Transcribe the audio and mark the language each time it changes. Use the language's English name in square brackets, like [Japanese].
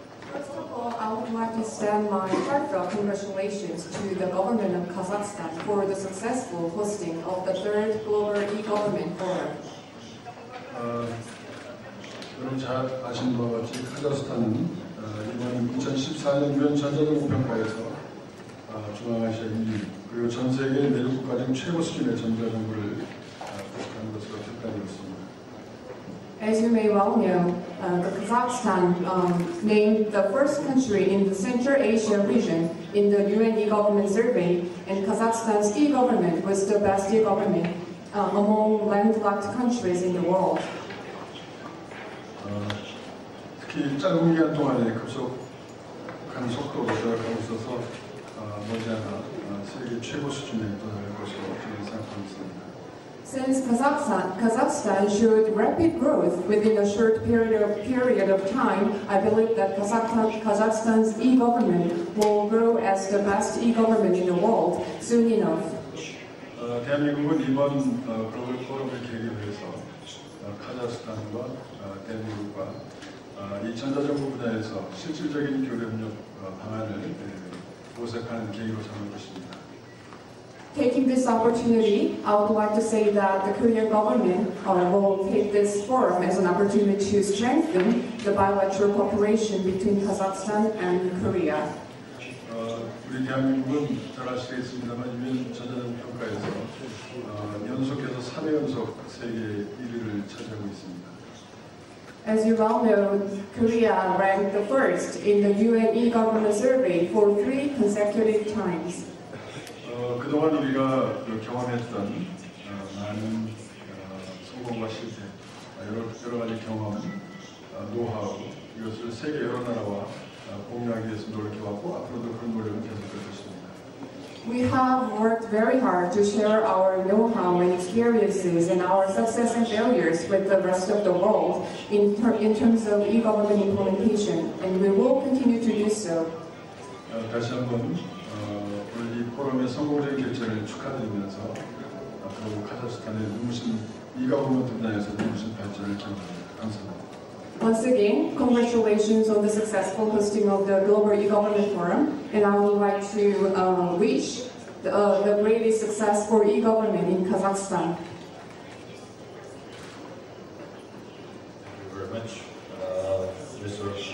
[English] First of all, I would like to send my heartfelt congratulations to the government of Kazakhstan for the successful hosting of the third Global E-Government Forum. [Korean] 여러분 잘 아시는 바와 같이 카자흐스탄은 이번 2014년 유엔 전자동 공평가에서 중앙아시아 1위 그리고 전 세계 내륙국가 중 최고 수준의 전자정부를 구축하는 것으로 결단되었습니다. [English] As you may well know, Kazakhstan named the first country in the Central Asia region in the UN e-government survey, and Kazakhstan's e-government was the best e-government among landlocked countries in the world. [Korean] 특히 짧은 기간 동안에 급속한 속도로 도약하고 있어서 머지않아 세계 최고 수준에 도달할 것으로 저는 생각하고 있습니다. [English] Since Kazakhstan showed rapid growth within a short period of time, I believe that Kazakhstan's e-government will grow as the best e-government in the world soon enough. [Korean] 대한민국은 이번 글로벌 포럼을 계기로 해서 카자흐스탄과 대한민국과 이 전자정부 분야에서 실질적인 교류협력 방안을 모색하는 계기로 삼을 것입니다. [English] Taking this opportunity, I would like to say that the Korean government will take this forum as an opportunity to strengthen the bilateral cooperation between Kazakhstan and Korea. [Korean] 우리 대한민국은 잘 아시겠습니다만 유엔 전자정부 평가에서 연속해서 3회 연속 세계 1위를 차지하고 있습니다. [English] As you well know, Korea ranked the first in the UN e-government survey for three consecutive times. [Korean] 그동안 우리가 경험했던 많은 성공과 실패, 여러 가지 경험, 노하우, 이것을 세계 여러 나라와 공유하기 위해서 노력해왔고 앞으로도 그런 노력을 계속할 것입니다. [English] We have worked very hard to share our know-how and experiences and our success and failures with the rest of the world in terms of e-government implementation, and we will continue to do so. [Korean] 다시 한번 우리 포럼의 성공적인 결정을 축하드리면서 앞으로 카자흐스탄의 눈부신 e-government 분야에서 눈부신 발전을 기원합니다. 감사합니다. [English] Once again, congratulations on the successful hosting of the Global E-Government Forum, and I would like to wish the greatest success for e-government in Kazakhstan. Thank you very much. Mr.